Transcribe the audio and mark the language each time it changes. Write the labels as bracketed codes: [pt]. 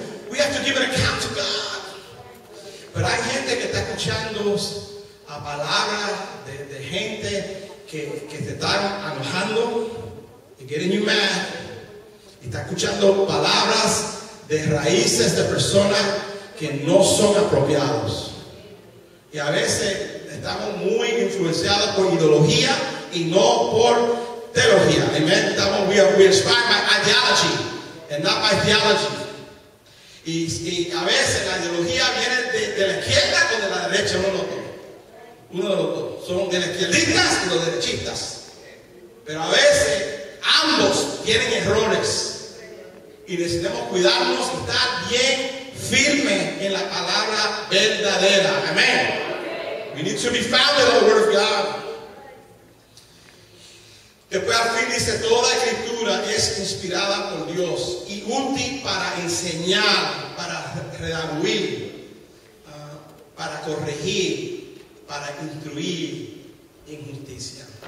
[en] We have to give an account to God. [es] Pero hay gente que está escuchando a palabras de gente que te está enojando, [en] getting you mad, [es] y está escuchando palabras de raíces de personas que no son apropiados. Y a veces estamos muy influenciados por ideología y no por teología. [en] Amen. We are inspired by ideology and not by theology. [es] Y a veces la ideología viene de la izquierda o de la derecha, uno de los dos. Son de las izquierdistas y los derechistas. Pero a veces ambos tienen errores. Y necesitamos cuidarnos y estar bien firme en la palabra verdadera. Amén. [en] We need to be founded on the word of God. [es] Después al fin dice: toda escritura es inspirada por Dios y útil para enseñar, para redarguir, para corregir, para instruir en justicia.